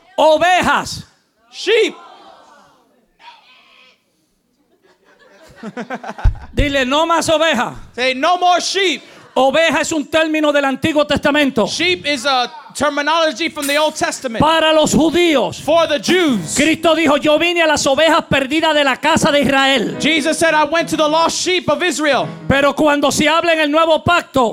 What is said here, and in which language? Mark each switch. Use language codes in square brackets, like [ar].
[es] Ovejas. [en] Sheep. [es] Dile no más oveja. [en] Say no more sheep. [es] Oveja es un término del Antiguo Testamento. [en] Sheep is a terminology from the Old Testament. [es] Para los judíos. [en] For the Jews. [es] Cristo dijo, yo vine a las ovejas perdidas de la casa de Israel. [en] Jesus said, I went to the lost sheep of Israel. [es] Pero cuando se habla en el Nuevo Pacto,